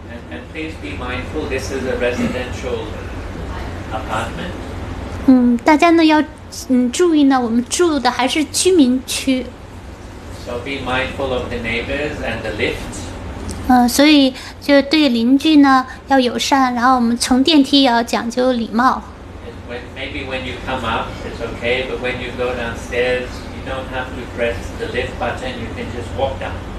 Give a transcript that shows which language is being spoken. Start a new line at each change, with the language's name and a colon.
English: And please be mindful, this is a residential apartment.
Chinese: 大家呢要注意呢，我们住的还是居民区。
English: So be mindful of the neighbors and the lift.
Chinese: 所以就对邻居呢要友善，然后我们乘电梯也要讲究礼貌。
English: Maybe when you come up, it's okay, but when you go downstairs, you don't have to press the lift button, you can just walk down.